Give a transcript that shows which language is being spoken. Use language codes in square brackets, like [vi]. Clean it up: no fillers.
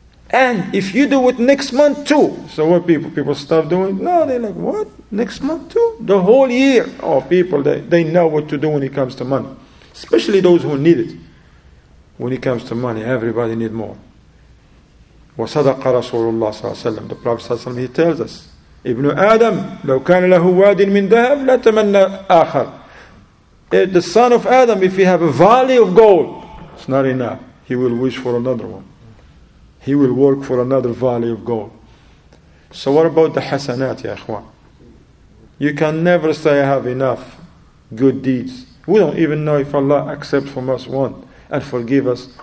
[en] And if you do it next month too, so what people stop doing? No, they're like, what? Next month too? The whole year. Oh, people, they know what to do when it comes to money. Especially those who need it. When it comes to money, everybody need more. [ar] وَصَدَقَ رَسُولُ اللَّهِ صَلَّى اللَّهُ عَلَيْهِ وَسَلَّمُ. [en] The Prophet ﷺ, he tells us, Ibn Adam, [ar] لَوْ كَانَ لَهُ وَادٍ مِنْ ذَهَبٍ لَتَمَنَّ آخَرٍ. [en] The son of Adam, if he have a valley of gold, it's not enough. He will wish for another one. He will work for another valley of gold. So what about the hasanat, [ar] ya ikhwan? [en] You can never say I have enough good deeds. We don't even know if Allah accepts from us one and forgive us.